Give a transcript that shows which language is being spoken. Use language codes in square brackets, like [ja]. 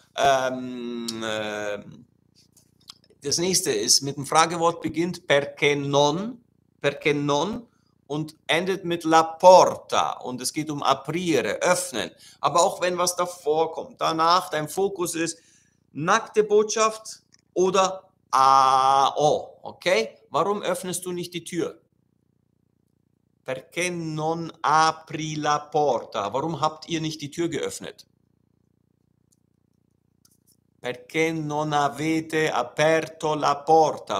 [de] Das nächste ist, mit dem Fragewort beginnt perché non und endet mit la porta und es geht um aprire, öffnen. Aber auch wenn was davor kommt, danach, dein Fokus ist nackte Botschaft oder A-O, okay? Warum öffnest du nicht die Tür? [it] Perché non apri la porta? [de] Warum habt ihr nicht die Tür geöffnet? [it] Perché non avete aperto la porta?